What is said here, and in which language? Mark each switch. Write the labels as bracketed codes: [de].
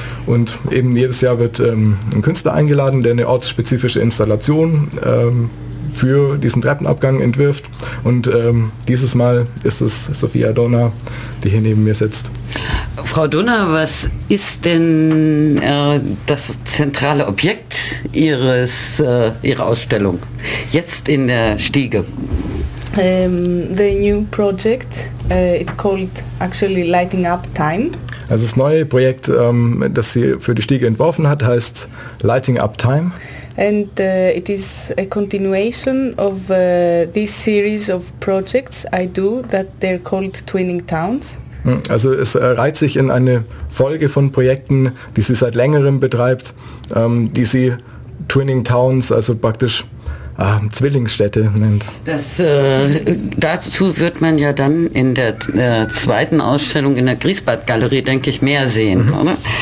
[de] Und eben jedes Jahr wird ein Künstler eingeladen, der eine ortsspezifische Installation für diesen Treppenabgang entwirft. Und dieses Mal ist es Sophia Donner, die hier neben mir sitzt. Frau Donner, was ist denn das zentrale Objekt ihrer Ausstellung jetzt in der Stiege? [en] The new project, it's called actually Lighting Up Time. [de] Also das neue Projekt, das sie für die Stiege entworfen hat, heißt Lighting Up Time. [en] And it is a continuation of this series of projects I do that they're called Twinning Towns. [de] Also es reiht sich in eine Folge von Projekten, die sie seit längerem betreibt, die sie Twinning Towns, also praktisch Zwillingsstädte nennt. Das, dazu wird man ja dann in der zweiten Ausstellung in der Griesbad-Galerie, denke ich, mehr sehen. Mhm. Oder?